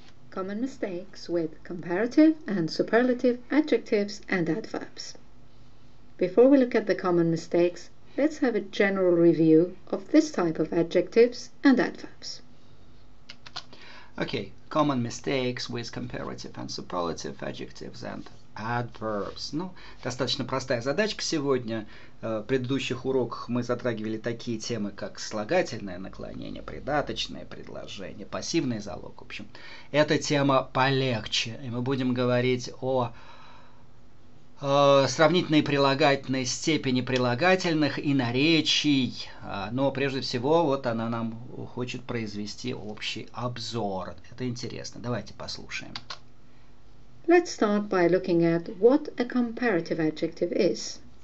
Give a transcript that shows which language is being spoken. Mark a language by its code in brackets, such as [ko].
[en] Common mistakes with comparative and superlative adjectives and adverbs. Before we look at the common mistakes, let's have a general review of this type of adjectives and adverbs. Okay, common mistakes with comparative and superlative adjectives and adverbs. [ru] Ну, достаточно простая задачка сегодня. В предыдущих уроках мы затрагивали такие темы, как слагательное наклонение, придаточное предложение, пассивный залог. В общем, эта тема полегче. И мы будем говорить о сравнительной прилагательной степени прилагательных и наречий. Но прежде всего, вот она нам хочет произвести общий обзор. Это интересно. Давайте послушаем. [en] Let's start by looking at what a comparative adjective is.